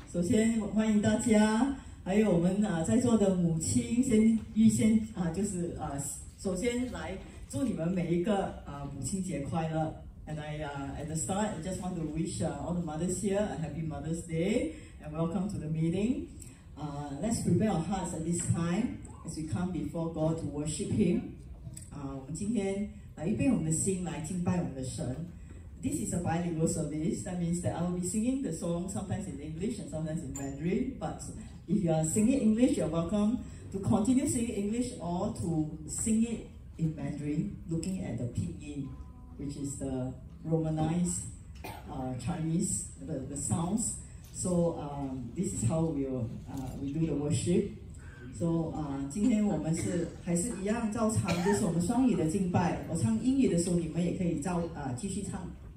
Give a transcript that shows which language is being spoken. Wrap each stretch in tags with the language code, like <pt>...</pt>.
<zh>首先欢迎大家，还有我们在座的母亲，先预先首先来祝你们每一个母亲节快乐。</zh> <en>And at the start, I just want to wish all the mothers here a happy Mother's Day and welcome to the meeting. Let's prepare our hearts at this time as we come before God to worship Him.</en> <zh>我们今天来预备我们的心来敬拜我们的神。</zh> <en>This is a bilingual service. That means that I will be singing the song sometimes in English and sometimes in Mandarin. But if you are singing English, you're welcome to continue singing English or to sing it in Mandarin, looking at the pinyin, which is the romanized Chinese, the sounds. So this is how we do the worship.</en> <zh>So 今天我们是还是一样照常，就是我们双语的敬拜。我唱英语的时候，你们也可以继续唱。</zh>